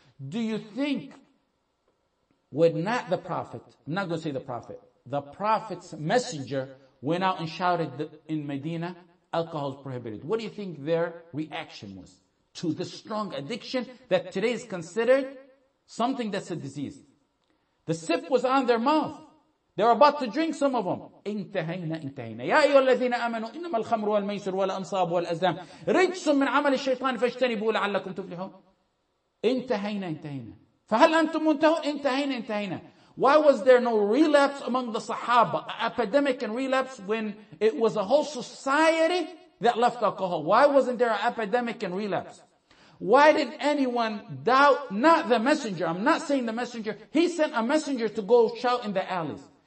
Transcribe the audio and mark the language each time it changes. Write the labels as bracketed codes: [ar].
[en] Do you think would not the Prophet, I'm not going to say the Prophet, the Prophet's messenger went out and shouted in Medina, alcohol is prohibited. What do you think their reaction was to the strong addiction that today is considered something that's a disease? The sip was on their mouth. They were about to drink some of them. [ar] انتهينا انتهينا. يا أيها الذين آمنوا إنما الخمر والميسر والأنصاب والأزلام رجس من عمل الشيطان فاجتنبوه لعلكم تفلحون. انتهينا انتهينا. فهل أنتم منتهون؟ انتهينا انتهينا. [en] Why was there no relapse among the Sahaba? Epidemic and relapse when it was a whole society that left alcohol. Why wasn't there an epidemic and relapse? Why did anyone doubt, not the messenger, I'm not saying the messenger, he sent a messenger to go shout in the alleys.